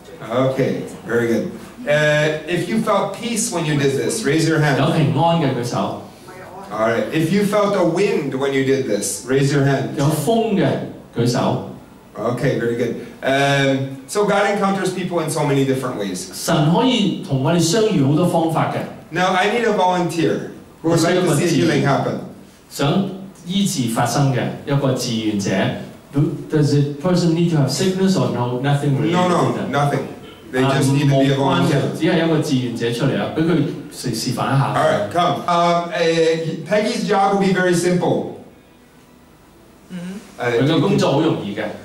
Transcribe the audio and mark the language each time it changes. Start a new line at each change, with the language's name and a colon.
English: Okay, very good. If you felt peace when you did this, raise your hand.
Cantonese: 有平安嘅，舉手。
English: All right. If you felt a wind when you did this, raise your hand.
Cantonese: 有風嘅，舉手。
English: Okay, very good. So God encounters people in so many different ways.
Cantonese: 神可以同我哋相遇好多方法嘅。
English: Now I need a volunteer who would like to see healing happen.
Cantonese: 想醫治發生嘅一個志願者。
English: Does the person need to have sickness or no? Nothing really. No, nothing. They just need to be a volunteer.
Cantonese: 只係一個志願者出嚟啊，俾佢示範一下。
English: All right, come. Peggy's job will be very simple.
Cantonese: 佢嘅工作好容易嘅。